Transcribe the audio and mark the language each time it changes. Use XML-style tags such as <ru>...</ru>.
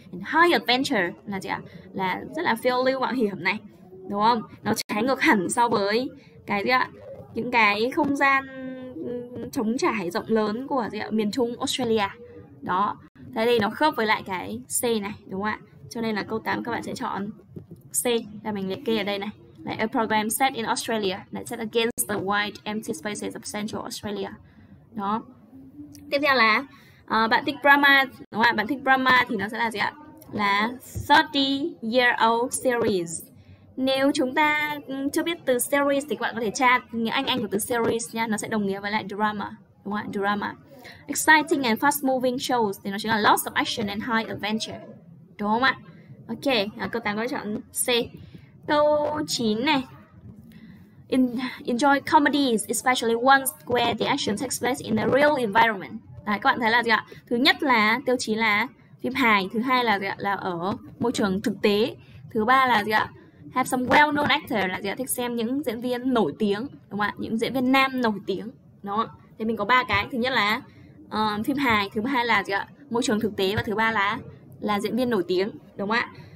<vi>And high adventure là gì ạ? Là rất là phiêu lưu mạo hiểm này, đúng không? Nó trái ngược hẳn so với cái gì ạ? Những cái không gian trống trải rộng lớn của gì ạ? Miền Trung Australia. Đó. Thế thì nó khớp với lại cái C này, đúng không ạ? Cho nên là câu 8 các bạn sẽ chọn C, là mình liệt kê ở đây này.</vi> <en>Like a program set in Australia that set against the wide empty spaces of central Australia.</en> <vi>Đó. Tiếp theo là bạn thích drama, đúng không ạ? Bạn thích drama thì nó sẽ là gì ạ? Là 30 year old series. Nếu chúng ta chưa biết từ series thì các bạn có thể tra nghĩa Anh của từ series nha. Nó sẽ đồng nghĩa với lại drama, đúng không ạ?</vi> <en>Drama. Exciting and fast moving shows</en> <vi>thì nó chính là</vi> <en>lots of action and high adventure,</en> <vi>đúng không ạ? Ok, câu 8 có thể chọn C. Câu 9 này.</vi> <en>Enjoy comedies, especially ones where the action takes place in a real environment.</en> <vi>Đấy, các bạn thấy là gì ạ? Thứ nhất là tiêu chí là phim hài. Thứ hai là gì ạ? Là ở môi trường thực tế. Thứ ba là gì ạ?</vi> <en>Have some well-known actor,</en> <vi>là gì ạ? Thích xem những diễn viên nổi tiếng, đúng không ạ? Những diễn viên nam nổi tiếng, đúng không ạ? Thế mình có 3 cái. Thứ nhất là phim hài, thứ hai là gì ạ? Môi trường thực tế, và thứ ba là diễn viên nổi tiếng, đúng không ạ?</vi>